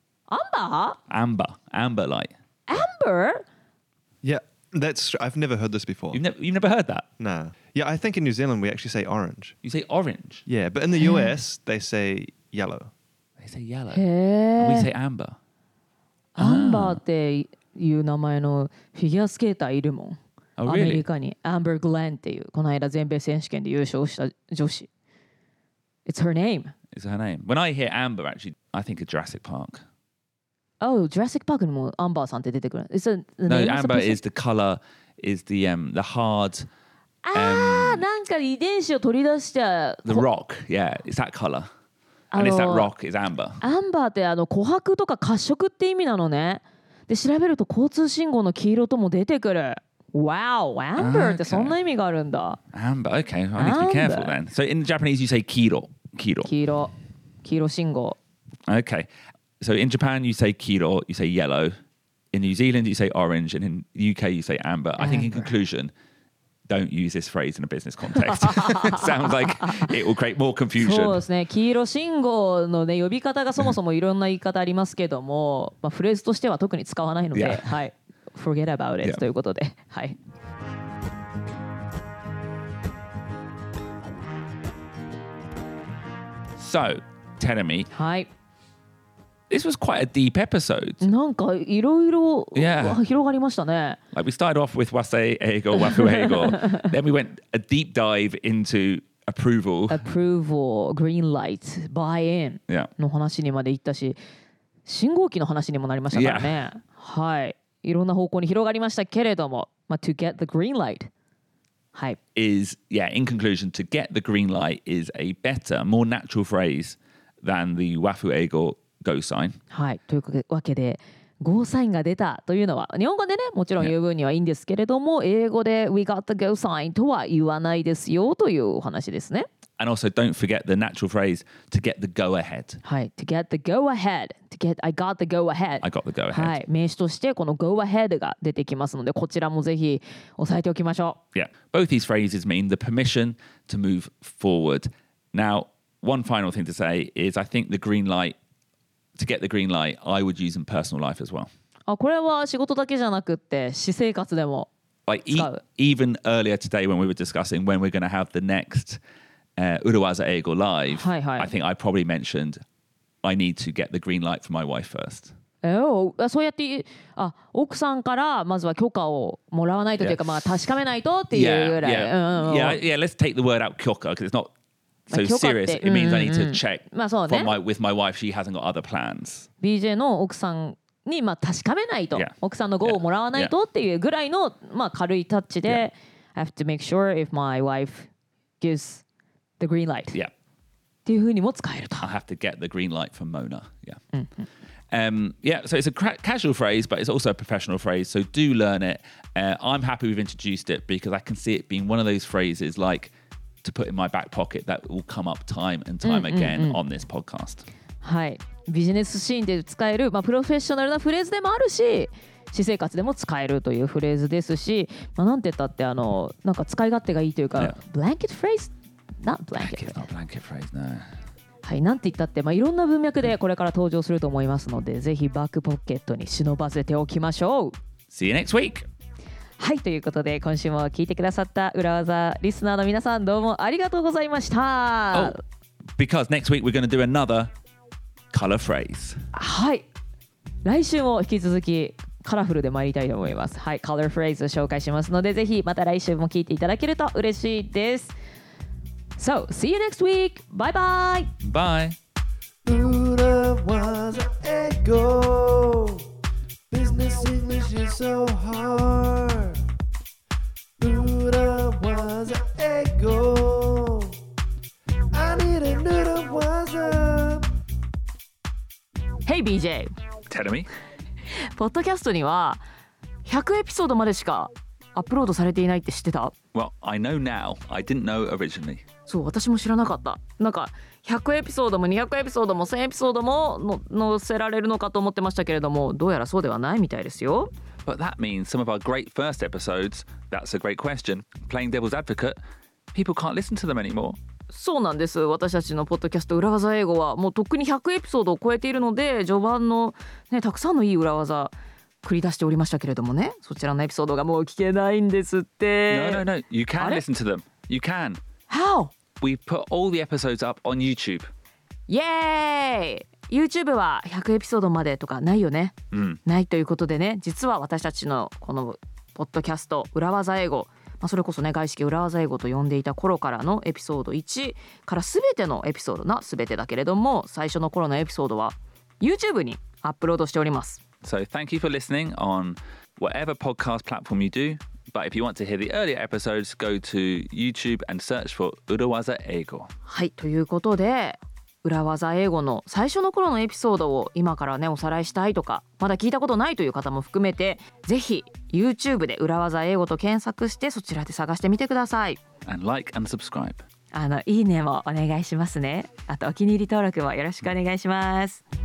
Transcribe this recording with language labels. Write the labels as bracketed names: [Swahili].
[English] Amber? Amber. Amber light. Amber? Yeah, that's true. I've never heard this before. You've never heard that? Nah. Yeah, I think in New Zealand we actually say orange. You say orange? Yeah, but in the US they say yellow. They say yellow. Hey. And we say amber. [Japanese] アンバーっていう名前のフィギュアスケーターいるもん、 [English] oh, really? [Japanese] アメリカにアンバーグレンっていう、この間全米選手権で優勝した女子。 [English] It's her name. It's her name. When I hear Amber actually I think of Jurassic Park. [Japanese] Oh, Jurassic Park にもアンバーさんって出てくる。 [English] It's a, the No, name Amber is the color is the hard [Japanese] なんか遺伝子を取り出した [English] The rock. Yeah, it's that color. And it's that rock, it's amber. [Japanese] Amber ってあの琥珀とか褐色って意味なのね。で調べると交通信号の黄色とも出てくる。 Wow, amber ってそんな意味があるんだ。 [English] Amber, okay, I need to be careful then. So in Japanese you say kiro, kiro. [Japanese] 黄色信号。 [English] Okay, so in Japan you say kiro, you say yellow. In New Zealand you say orange, and in the UK you say amber. I think in conclusion... Don't use this phrase in a business context. Sounds like it will create more confusion. [Japanese] そうですね。黄色信号のね呼び方がそもそもいろんな言い方ありますけども、まあ、フレーズとしては特に使わないので、 [English] yeah. はい、forget about it、yeah. [Japanese] ということで、はい。 [English] So, tell me. [Japanese] はい。 [English] This was quite a deep episode. [Japanese] なんかいろいろ広がりましたね。 [English] Like we started off with wase ego wafu ego. Then we went a deep dive into approval. Approval, green light, buy in. Yeah. [Japanese] の話にまで行ったし、信号機の話にもなりましたからね。 [English] Yeah. [Japanese] はい。いろんな方向に広がりましたけれども、まあ、 to get the green light. はい。 [English] Is, yeah, in conclusion, to get the green light is a better, more natural phrase than the wafu ego. Go sign. [Japanese] はい、というわけで、ゴーサインが出たというのは、日本語でね、もちろん言う分にはいいんですけれども、yeah. 英語で We got the go sign とは言わないですよというお話ですね。 [English] And also, don't forget the natural phrase to get the go ahead. Hi, to get the go ahead. To get, I got the go ahead. I got the go ahead. [Japanese] はい、名詞としてこの go ahead が出てきますので、こちらもぜひ押さえておきましょう。 [English] Yeah, both these phrases mean the permission to move forward. Now, one final thing to say is, I think the green light to get the green light, I would use in personal life as well. [Japanese] あ、これは仕事だけじゃなくて私生活でも使う。 [English] Like even earlier today when we were discussing when we're going to have the next. Uruwaza Eigo Live, [Japanese] はい、はい、 [English] I think I probably mentioned I need to get the green light for my wife first. [Japanese] Oh, そうやって、あ、奥さんからまずは許可をもらわないとというか、まあ確かめないとっていうぐらい。 [English] Yeah, let's take the word out, 許可, because it's not so serious. It means I need to check with my wife, she hasn't got other plans. [Japanese] BJ の奥さんに、まあ確かめないと、奥さんの号をもらわないとっていうぐらいの、まあ軽いタッチで、 I have to make sure if my wife gives... [English] The green light. Yeah. [Japanese] っていうふうにも使えると。 [English] I have to get the green light from Mona. Yeah. Yeah, so it's a casual phrase, but it's also a professional phrase. So do learn it. I'm happy we've introduced it because I can see it being one of those phrases like to put in my back pocket that will come up time and time again on this podcast. [Japanese] はい。ビジネスシーンで使える、まあ、プロフェッショナルなフレーズでもあるし、私生活でも使えるというフレーズですし、まあ、なんて言ったってあのなんか使い勝手がいいというか、 blanket phrase? [English] Not blanket. Not blanket phrase, no. [Japanese] はい、なんて言ったって、まあ、いろんな文脈でこれから登場すると思いますので、ぜひバックポケットに忍ばせておきましょう。 [English] See you next week! [Japanese] はい、ということで今週も聞いてくださった裏技リスナーの皆さん、どうもありがとうございました。 [English] Oh, because next week we're going to do another color phrase. [Japanese] はい、来週も引き続きカラフルで参りたいと思います。はい、color phrase を紹介しますので、ぜひまた来週も聞いていただけると嬉しいです。 [English] So, see you next week. Bye bye. Bye. Uruwaza Eigo. Business English is so hard. Uruwaza Eigo. I need a Uruwaza. Hey, BJ. Tell me. [Japanese] ポッドキャストには100エピソードまでしかアップロードされていないって知ってた? [English] Well, I know now. I didn't know originally. [Japanese] そう、私も知らなかった。なんか100エピソードも200エピソードも1000エピソードも載せられるのかと思ってましたけれども、どうやらそうではないみたいですよ。 [English] But that means some of our great first episodes, that's a great question. Playing devil's advocate, people can't listen to them anymore. [Japanese] そうなんです。私たちのポッドキャスト裏技英語はもうとっくに100エピソードを超えているので、序盤の、ね、たくさんのいい裏技繰り出しておりましたけれどもね、そちらのエピソードがもう聞けないんですって。 [English] No, no, no. You can listen to them. You can. How? We put all the episodes up on YouTube. Yay! [Japanese] YouTube は100エピソードまでとかないよね。ないということでね、実は私たちのこのポッドキャスト裏技英語、まあ、それこそね外資系裏技英語と呼んでいた頃からのエピソード1から全てのエピソードな全てだけれども最初の頃のエピソードは YouTube にアップロードしております。 [English] So thank you for listening on whatever podcast platform you do. But if you want to hear the earlier episodes, go to YouTube and search for Uruwaza Eigo. [Japanese] はい、ということで、Uruwaza Eigoの最初の頃のエピソードを今からね、おさらいしたいとか、まだ聞いたことないという方も含めて、ぜひ YouTube で Uruwaza Eigoと検索して、そちらで探してみてください。 [English] And like and subscribe. [Japanese] あの、いいねもお願いしますね。あと、お気に入り登録もよろしくお願いします。